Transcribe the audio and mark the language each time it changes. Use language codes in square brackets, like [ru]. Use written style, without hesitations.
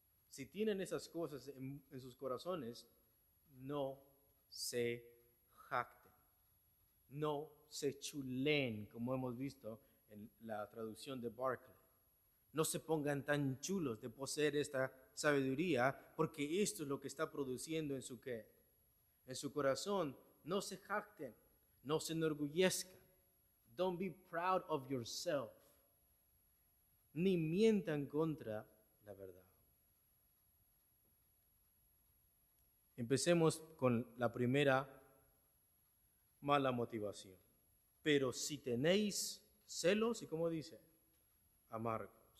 [es] Si tienen esas cosas en sus corazones, no se jacten. No se chulen, como hemos visto en la traducción de Barclay. No se pongan tan chulos de poseer esta sabiduría, porque esto es lo que está produciendo en su qué. En su corazón, no se jacten, no se enorgullezcan. [en] Don't be proud of yourself. [es] Ni mientan contra la verdad. Empecemos con la primera mala motivación. Pero si tenéis celos, ¿y cómo dice? Amargos.